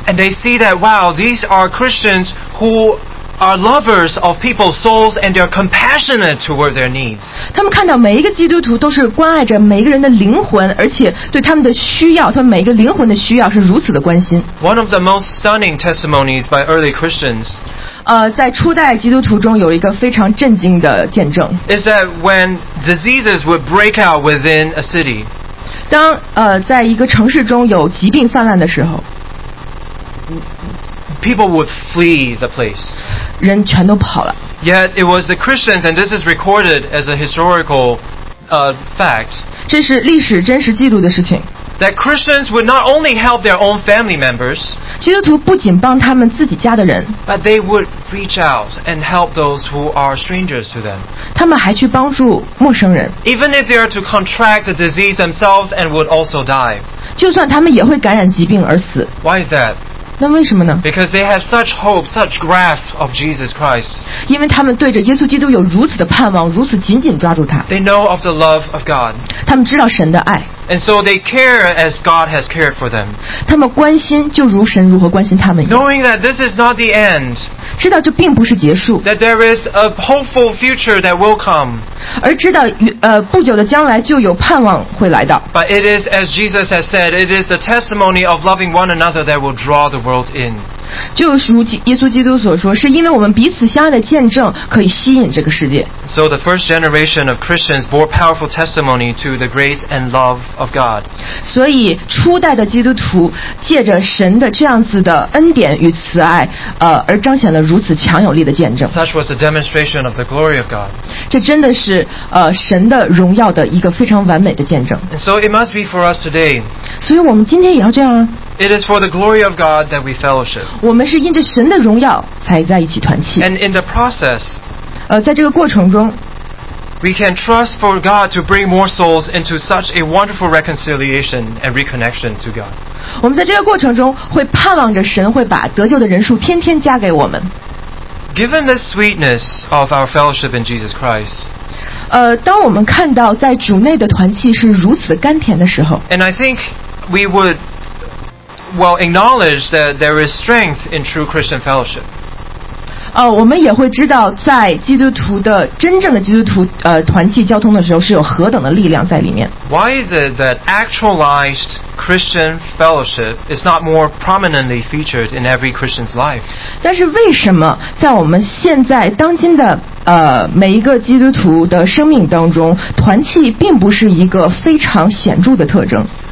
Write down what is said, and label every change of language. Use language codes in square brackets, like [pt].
[en] And they see that wow these are Christians whoare lovers of people's souls and they're compassionate toward their needs. [zh] 他们看到每一个基督徒都是关爱着每一个人的灵魂，而且对他们的需要，他们每一个灵魂的需要是如此的关心。 [en] One of the most stunning testimonies by early Christians, [zh] 在初代基督徒中有一个非常震惊的见证。 [en] Is that when diseases would break out within a city? [zh] 当在一个城市中有疾病泛滥的时候。 [en] People would flee the place. [zh] 人全都跑了。 [en] Yet it was the Christians, and this is recorded as a historical fact. [zh] 这是历史真实记录的事情。 [en] That Christians would not only help their own family members. [zh] 基督徒不仅帮他们自己家的人。 [en] But they would reach out and help those who are strangers to them. [zh] 他们还去帮助陌生人。 [en] Even if they are to contract the disease themselves and would also die. [zh] 就算他们也会感染疾病而死。 [en] Why is that? [zh] 那为什么呢 [en] Because they have such hope, such grasp of Jesus Christ. [zh] 因为他们对着耶稣基督有如此的盼望，如此紧紧抓住他。 [en] They know of the love of God. [zh] 他们知道神的爱。 [en] And so they care as God has cared for them. [zh] 他们关心就如神如何关心他们一样。 [en] Knowing that this is not the end. [zh] 知道这并不是结束。 [en] That there is a hopeful future that will come. [zh] 而知道不久的将来就有盼望会来到。 [en] But it is as Jesus has said, it is the testimony of loving one another that will draw the world in. [zh] 就如耶稣基督所说，是因为我们彼此相爱的见证可以吸引这个世界。 [en] So the first generation of Christians bore powerful testimony to the grace and love. Of God. [zh] 所以初代的基督徒借着神的这样子的恩典与慈爱而彰显了如此强有力的见证 [en] Such was the demonstration of the glory of God. [zh] 这真的是神的荣耀的一个非常完美的见证 [en] And so it must be for us today. [zh] 所以我们今天也要这样啊 [en] It is for the glory of God that we fellowship. [zh] 我们是因着神的荣耀才在一起团契 [en] And in the process, [zh] 在这个过程中 [en] We can trust for God to bring more souls into such a wonderful reconciliation and reconnection to God. [zh] 我们在这个过程中会盼望着神会把得救的人数天天加给我们。 [en] Given the sweetness of our fellowship in Jesus Christ, [zh] 当我们看到在主内的团契是如此甘甜的时候 [en] ，and I think we would well acknowledge that there is strength in true Christian fellowship. [zh] 我们也会知道在基督徒的真正的基督徒团契交通的时候是有何等的力量在里面 [en] Why is it that actualized Christian fellowship is not more prominently featured in every Christian's life? [zh] 但是为什么在我们现在当今的每一个基督徒的生命当中团契并不是一个非常显著的特征